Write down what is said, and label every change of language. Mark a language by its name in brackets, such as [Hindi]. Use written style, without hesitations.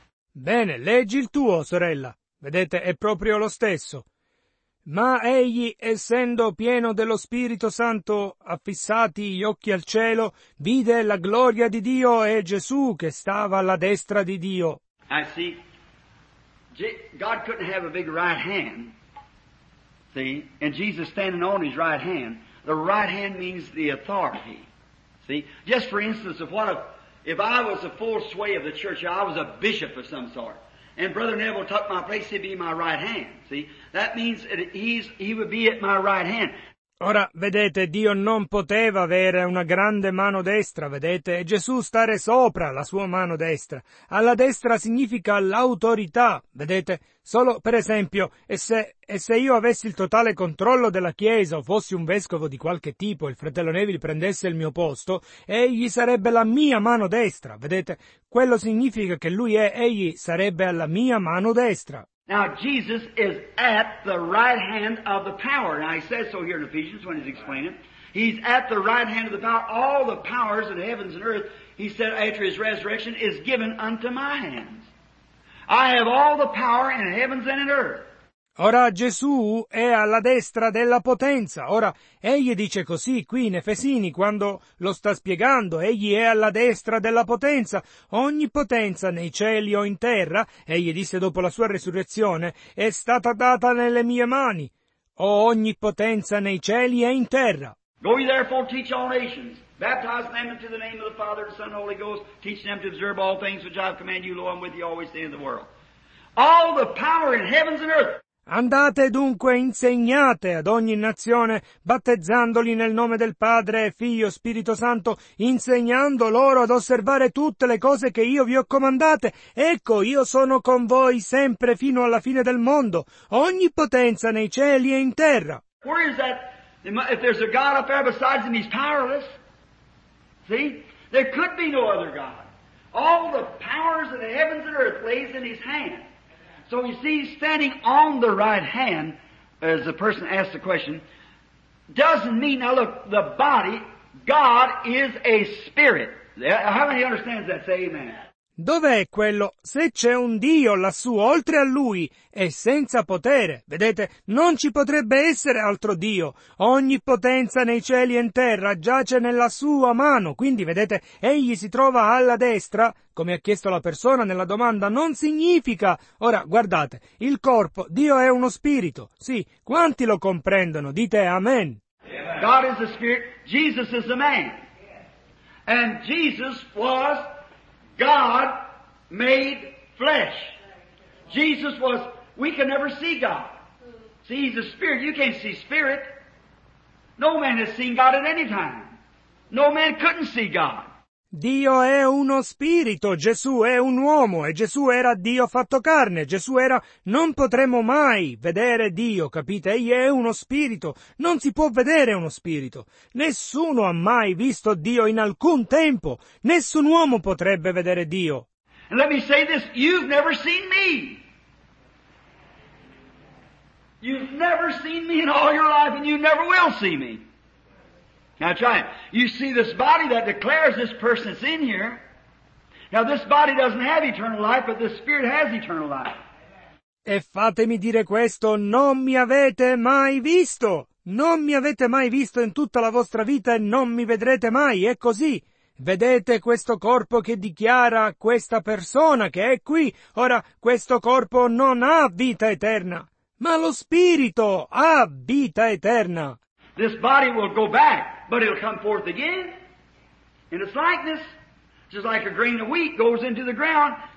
[Italian] Bene, leggi il tuo, sorella. Vedete, è proprio lo stesso. Ma egli, essendo pieno dello Spirito Santo, affissati gli occhi al cielo, vide la gloria di Dio e Gesù che stava alla destra di Dio. [English] I see. God couldn't have a big right hand. See? And Jesus standing on his right hand. The right hand means the authority. See? Just for instance, if I was a full sway of the church, I was a bishop of some sort, and Brother Neville took my place, he'd be my right hand. See? That means he would be at my right hand. [Italian] Ora, vedete, Dio non poteva avere una grande mano destra, vedete, e Gesù stare sopra la sua mano destra. Alla destra significa l'autorità, vedete. Solo, per esempio, e se io avessi il totale controllo della Chiesa o fossi un vescovo di qualche tipo e il fratello Neville prendesse il mio posto, egli sarebbe la mia mano destra, vedete. Quello significa che egli sarebbe alla mia mano destra. [English] Now Jesus is at the right hand of the power. Now he says so here in Ephesians when he's explaining. He's at the right hand of the power. All the powers of the heavens and earth, he said after his resurrection, is given unto my hands. I have all the power in heavens and in earth. [Italian] Ora Gesù è alla destra della potenza. Ora, egli dice così qui in Efesini quando lo sta spiegando. Egli è alla destra della potenza. Ogni potenza nei cieli o in terra, egli disse dopo la sua resurrezione, è stata data nelle mie mani. O ogni potenza nei cieli e in terra. [English] Go ye therefore teach all nations, baptize them into the name of the Father, the Son, and the Holy Ghost, teach them to observe all things which I have commanded you, lo, I'm with you always, the end of the world. All the power in heavens and earth. [Italian] Andate dunque, insegnate ad ogni nazione, battezzandoli nel nome del Padre, Figlio, Spirito Santo, insegnando loro ad osservare tutte le cose che io vi ho comandate. Ecco, io sono con voi sempre fino alla fine del mondo, ogni potenza nei cieli e in terra. [English] Where is that? If there's a God up there besides him, he's powerless. See? There could be no other God. All the powers of the heavens and earth lays in his hand. So you see, standing on the right hand, as the person asked the question, doesn't mean, now look, the body, God is a spirit. How many understands that? Say amen. [Italian] Dov'è quello? Se c'è un Dio lassù, oltre a Lui, è senza potere. Vedete, non ci potrebbe essere altro Dio. Ogni potenza nei cieli e in terra giace nella sua mano. Quindi, vedete, egli si trova alla destra, come ha chiesto la persona nella domanda, non significa... Ora, guardate, il corpo, Dio è uno spirito. Sì, quanti lo comprendono? Dite amen. [English] God is a spirit, Jesus is a man. And Jesus was... God made flesh. Jesus was, we can never see God. See, he's a spirit. You can't see spirit. No man has seen God at any time. No man couldn't see God. [Italian] Dio è uno spirito, Gesù è un uomo, e Gesù era Dio fatto carne, Gesù era, non potremo mai vedere Dio, capite? Egli è uno spirito, non si può vedere uno spirito. Nessuno ha mai visto Dio in alcun tempo, nessun uomo potrebbe vedere Dio. [English] And let me say this, you've never seen me. You've never seen me in all your life, and you never will see me. Now try it. You see this body that declares this person's in here. Now this body doesn't have eternal life, but this spirit has eternal life. [Italian] E fatemi dire questo, non mi avete mai visto. Non mi avete mai visto in tutta la vostra vita e non mi vedrete mai, è così. Vedete questo corpo che dichiara questa persona che è qui. Ora, questo corpo non ha vita eterna, ma lo spirito ha vita eterna. [English] This body will go back. But it'll come forth again in its likeness, just like a grain of wheat goes into the ground